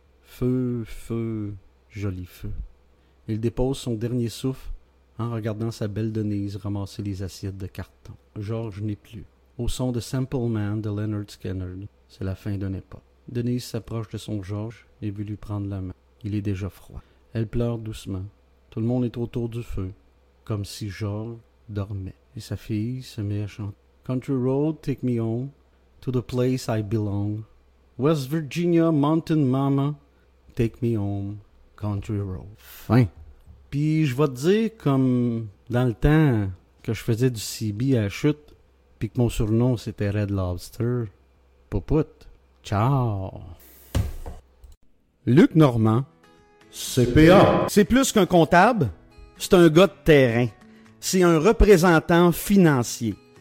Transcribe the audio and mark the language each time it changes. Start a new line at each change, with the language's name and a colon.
French: Feu, feu, joli feu. Il dépose son dernier souffle en regardant sa belle Denise ramasser les assiettes de carton. George n'est plus. Au son de Simple Man de Lynyrd Skynyrd, c'est la fin d'un époque. Denise s'approche de son George et veut lui prendre la main. Il est déjà froid. Elle pleure doucement. Tout le monde est autour du feu, comme si George dormait. Et sa fille se met à chanter.
English: Country road, take me home to the place I belong. West Virginia, mountain mama, take me home, country road.
French: Fin. Puis je vais te dire, comme dans le temps que je faisais du CB à la chute, puis que mon surnom c'était Red Lobster, poput, ciao. Luc Normand, CPA. C'est plus qu'un comptable, c'est un gars de terrain. C'est un représentant financier.